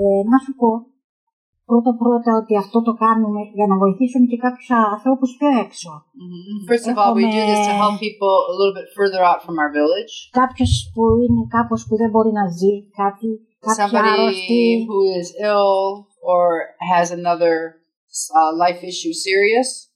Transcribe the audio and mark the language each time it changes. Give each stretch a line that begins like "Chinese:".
Greek: Να σου πω πρώτα ότι αυτό το κάνουμε για να βοηθήσουμε και κάποιους ανθρώπους πιο έξω.
English: First of all, we do this to help people a little bit further out from our village.
Greek: Κάποιος που είναι κάπως που δεν μπορεί να ζει, κάτι,
English: somebody who is ill or has another life issue serious.